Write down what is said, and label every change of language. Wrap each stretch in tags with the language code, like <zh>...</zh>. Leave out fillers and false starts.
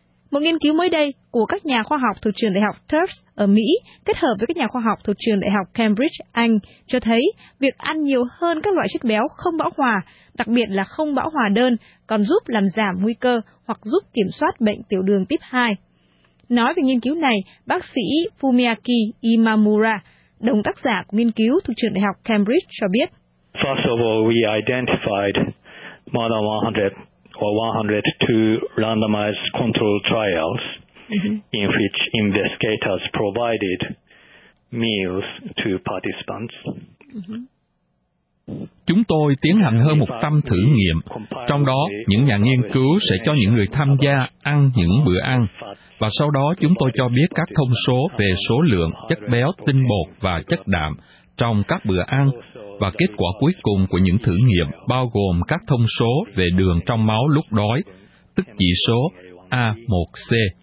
<vi>Một nghiên cứu mới đây của các nhà khoa học thuộc trường Đại học Tufts ở Mỹ kết hợp với các nhà khoa học thuộc trường Đại học Cambridge, Anh cho thấy việc ăn nhiều hơn các loại chất béo không bão hòa, đặc biệt là không bão hòa đơn, còn giúp làm giảm nguy cơ hoặc giúp kiểm soát bệnh tiểu đường type 2. Nói về nghiên cứu này, bác sĩ Fumiaki Imamura, đồng tác giả của nghiên cứu thuộc trường Đại học Cambridge cho biết.</vi> <en>First of all, we identified more than 100 or 102 randomized controlled trials in which investigators provided meals to participants.</en> <vi>Chúng tôi tiến hành hơn 100 thử nghiệm, trong đó những nhà nghiên cứu sẽ cho những người tham gia ăn những bữa ăn, và sau đó chúng tôi cho biết các thông số về số lượng chất béo, tinh bột và chất đạm trong các bữa ăn, và kết quả cuối cùng của những thử nghiệm bao gồm các thông số về đường trong máu lúc đói, tức chỉ số A1C.</vi>